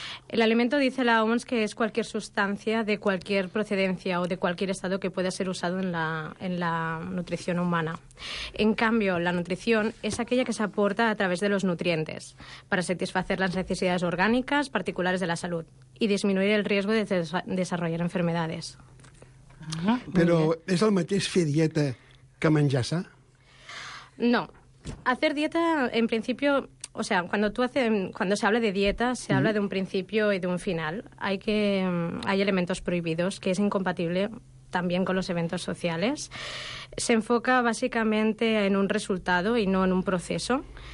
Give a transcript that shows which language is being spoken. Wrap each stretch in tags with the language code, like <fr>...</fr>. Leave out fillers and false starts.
<es>El alimento, dice la OMS, que es cualquier sustancia de cualquier procedencia o de cualquier estado que pueda ser usado en la nutrición humana. En cambio, la nutrición es aquella que se aporta a través de los nutrientes para satisfacer las necesidades orgánicas particulares de la salud y disminuir el riesgo de desarrollar enfermedades.</es> <ca>Pero ¿es el mateix fer dieta que menjar sa?</ca> <es>No. Hacer dieta, en principio, o sea, cuando se habla de dieta, se habla de un principio y de un final. Hay elementos prohibidos, que es incompatible también con los eventos sociales. Se enfoca básicamente en un resultado y no en un proceso.</es>